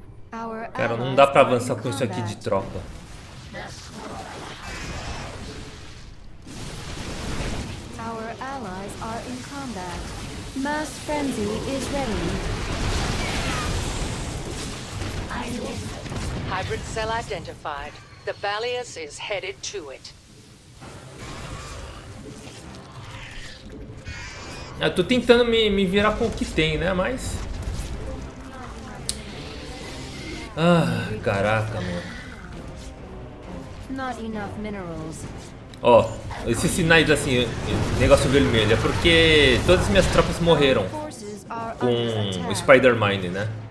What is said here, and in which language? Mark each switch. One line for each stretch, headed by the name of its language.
Portuguese: Cara, não dá pra avançar com isso aqui de tropa.
English: Our allies are in combat. Mass frenzy is ready. Hybrid cell identified. The Valius is headed to it.
Portuguese: Eu tô tentando me virar com o que tem, né? Mas. Ah, caraca, mano.
English: Not enough minerals.
Portuguese: Ó, esses sinais assim, negócio vermelho, é porque todas as minhas tropas morreram com o Spider-Mind, né?